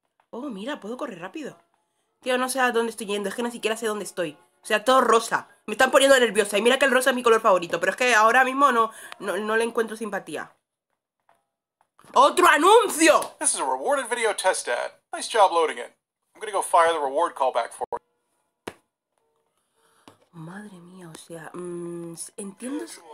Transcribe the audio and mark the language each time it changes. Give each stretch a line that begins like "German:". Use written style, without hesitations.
Spanish: Oh, mira, puedo correr rápido. Tío, no sé a dónde estoy yendo. Es que ni siquiera sé dónde estoy. O sea, todo rosa. Me están poniendo nerviosa y mira que el rosa es mi color favorito. Pero es que ahora mismo no le encuentro simpatía. ¡Otro anuncio!
English: This is a rewarded video test ad. Nice job loading it. I'm gonna go fire the reward callback for it.
Spanish: Madre mía, o sea, entiendo.